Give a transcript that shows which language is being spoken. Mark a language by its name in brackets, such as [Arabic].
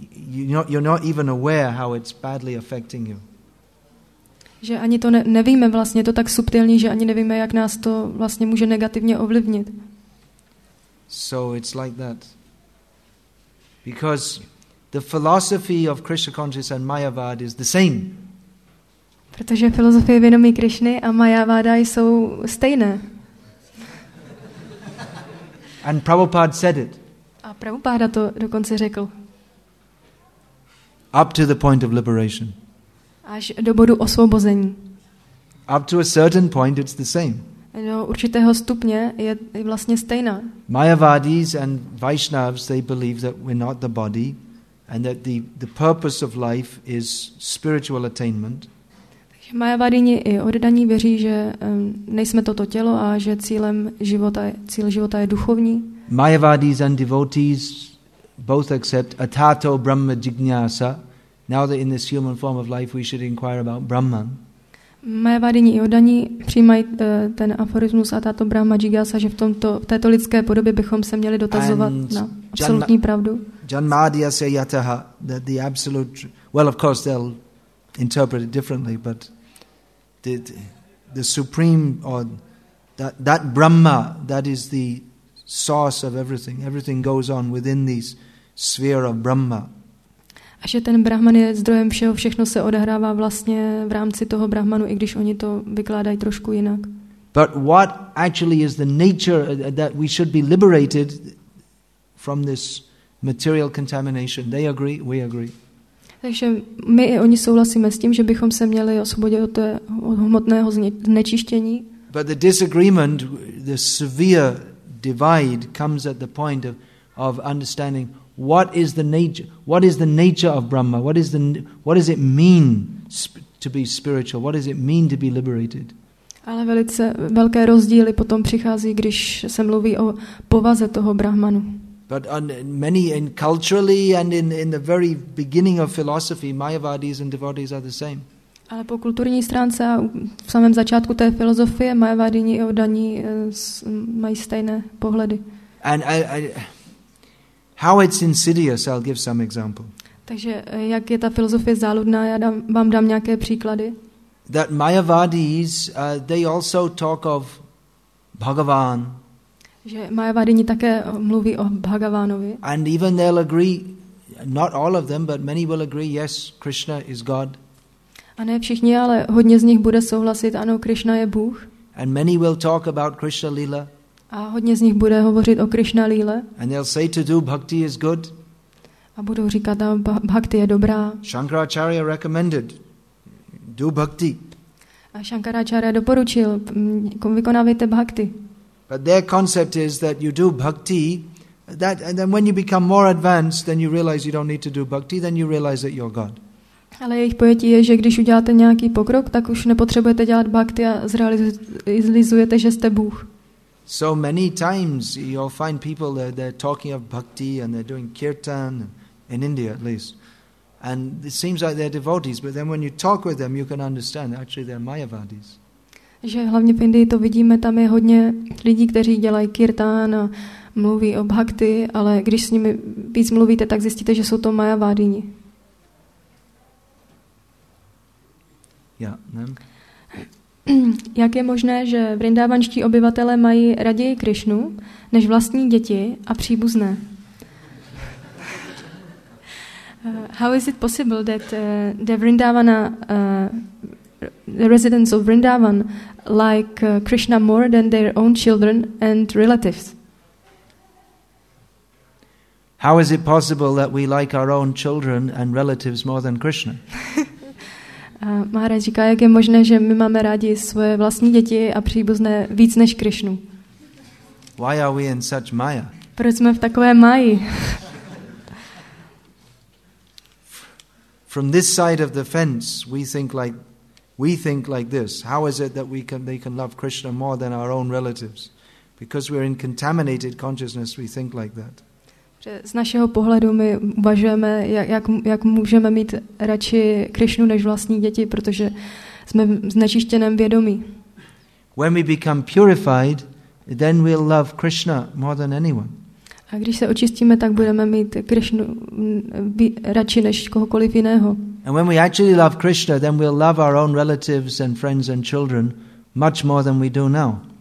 [English] You're not even aware how it's badly affecting you. [Czech] Že ani to nevíme vlastně, to tak subtilní, že ani nevíme, jak nás to vlastně může negativně ovlivnit. [English] So it's like that. Because the philosophy of Krishna consciousness and Mayavad is the same. [Czech] Protože filozofie vědomí Krishny a Mayavada jsou stejné. [English] And Prabhupada said it. [Czech] A Prabhupada to dokonce řekl. [English] Up to the point of liberation. [Czech] Až do bodu osvobození. [English] Up to a certain point it's the same. [Czech] Do určitého stupně je vlastně stejná. [English] Mayavadis and Vaishnavs, they believe that we're not the body and that the purpose of life is spiritual attainment. [Czech] Mayavadini i oddaní věří, že nejsme toto tělo a že cíl života je duchovní. [English] Mayavadis and devotees both accept atato brahma jignasa. Now that in this human form of life we should inquire about Brahman. [Czech] Mayavadini i oddaní přijímají ten aforismus atato brahma jignasa, že v této lidské podobě bychom se měli dotazovat na absolutní pravdu. [English] Janmadyasya yataha, that the absolute, well of course they'll interpret it differently, but the supreme or that Brahma, that is the source of everything. Everything goes on within this sphere of Brahma. [Czech] A že ten Brahman je zdrojem všeho, všechno se odehrává vlastně v rámci toho Brahmanu, i když oni to vykládají trošku jinak. [English] But what actually is the nature that we should be liberated from this material contamination? They agree, we agree. [Czech] Takže my i oni souhlasíme s tím, že bychom se měli osvobodit od hmotného znečištění. [English] But the disagreement, the severe divide comes at the point of understanding what is the nature of Brahma? What does it mean to be spiritual? What does it mean to be liberated? [Czech] Ale velice velké rozdíly potom přichází, když se mluví o povaze toho Brahmanu. [English] But many in culturally and in the very beginning of philosophy, Mayavadis and devotees are the same. [Czech] Ale po kulturní stránce a v samém začátku té filozofie Mayavadini i oddaní mají stejné pohledy. [English] And how it's insidious, I'll give some example. [Czech] Takže jak je ta filozofie záludná, já vám dám nějaké příklady. [English] That Mayavadis, they also talk of Bhagavan. [Czech] Že Mayavadini také mluví o Bhagavánovi. [English] And even they'll agree, not all of them, but many will agree, yes, Krishna is God. [Czech] A ne všichni, ale hodně z nich bude souhlasit, ano, Krishna je Bůh. [English] And many will talk about Krishna Lila. [Czech] A hodně z nich bude hovořit o Krishna Lile. [English] And they'll say to do bhakti is good. [Czech] A budou říkat, ano, bhakti je dobrá. [English] Shankaracharya recommended, do bhakti. [Czech] A Shankaracharya doporučil, vykonávejte bhakti. [English] But their concept is that you do bhakti, that and then when you become more advanced, then you realize you don't need to do bhakti, then you realize that you're God. [Czech] Ale jejich pojetí je, že když uděláte nějaký pokrok, tak už nepotřebujete dělat bhakti a zrealizujete, že jste Bůh. [English] So many times you'll find people that they're talking of bhakti and they're doing kirtan in India at least. And it seems like they're devotees, but then when you talk with them, you can understand that actually they're mayavadis. [Czech] Že hlavně v Indii to vidíme, tam je hodně lidí, kteří dělají kirtan a mluví o bhakti, ale když s nimi víc mluvíte, tak zjistíte, že jsou to mayavadini. [English] Yeah, [Czech] Jak je možné, že vrindávanští obyvatelé mají raději Krišnu než vlastní děti a příbuzné? [English] How is it possible that the Vrindavana the residents of Vrindavan like Krishna more than their own children and relatives? How is it possible that we like our own children and relatives more than Krishna? [Czech] Maharaj říká, jak je možné, že my máme rádi svoje vlastní děti a příbuzné víc než Krišnu. [English] Why are we in such maya? [Czech] Proč jsme v takové máji? [English] From this side of the fence, we think like this. How is it that they can love Krishna more than our own relatives? Because we're in contaminated consciousness, we think like that. [Czech] Z našeho pohledu my uvažujeme, jak můžeme mít radši Krišnu než vlastní děti, protože jsme v znečištěném vědomí. [English] When we become purified, then we'll love Krishna more than anyone. [Czech] A když se očistíme, tak budeme mít Krišnu radši než kohokoliv jiného. [English] And when we actually love Krishna, then we'll love our own relatives and friends and children much more than we do now.